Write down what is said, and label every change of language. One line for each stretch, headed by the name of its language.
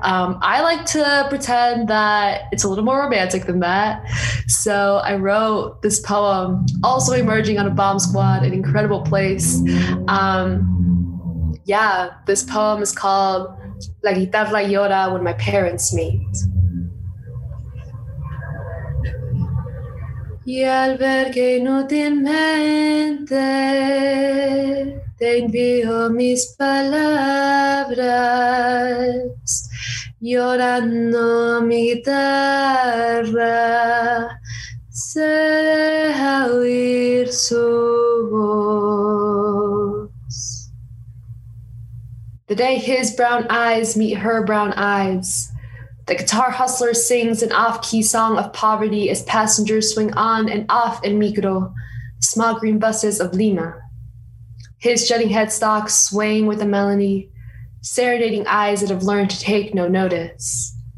English: I like to pretend that it's a little more romantic than that. So I wrote this poem, also emerging on a Bomb Squad, an incredible place. Yeah, this poem is called La Guitarra Llora When My Parents Meet.
Spanish: Y al ver que inútilmente te envío mis palabras, llorando mi guitarra, se deja oír su voz.
English: The day his brown eyes meet her brown eyes. The guitar hustler sings an off-key song of poverty as passengers swing on and off in micro, small green buses of Lima. His jutting headstock swaying with a melody, serenading eyes that have learned to take no notice.